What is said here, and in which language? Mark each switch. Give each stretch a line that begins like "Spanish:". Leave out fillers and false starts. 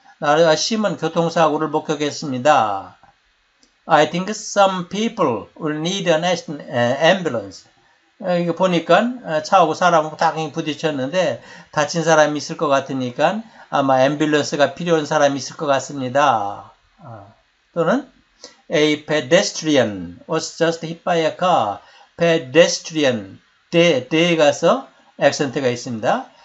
Korean: 나 심한 교통사고를 목격했습니다.
English: I think some people will need an ambulance.
Korean: 이거 보니까 차하고 사람하고 딱 부딪혔는데 다친 사람이 있을 것 같으니까 아마 앰뷸런스가 필요한 사람이 있을 것 같습니다. 또는
English: A pedestrian was just hit by a car.
Korean: Pedestrian, 대에 가서 액센트가 있습니다.